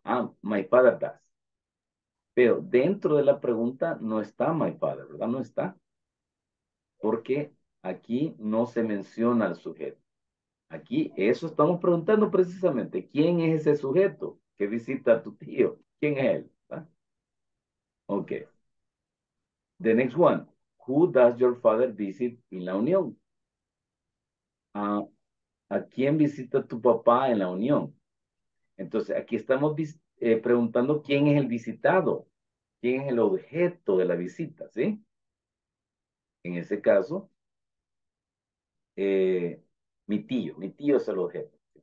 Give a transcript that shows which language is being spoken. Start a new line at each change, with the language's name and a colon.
Spanish: Ah,
English: my father does.
Spanish: Pero dentro de la pregunta no está my father, ¿verdad? No está. Porque aquí no se menciona al sujeto. Aquí eso estamos preguntando precisamente. ¿Quién es ese sujeto que visita a tu tío? ¿Quién es él? ¿Ah? Ok.
English: The next one. Who does your father visit in la unión?
Spanish: ¿A quién visita tu papá en la unión? Entonces, aquí estamos preguntando quién es el visitado. ¿Quién es el objeto de la visita? ¿Sí? En ese caso, mi tío es el objeto.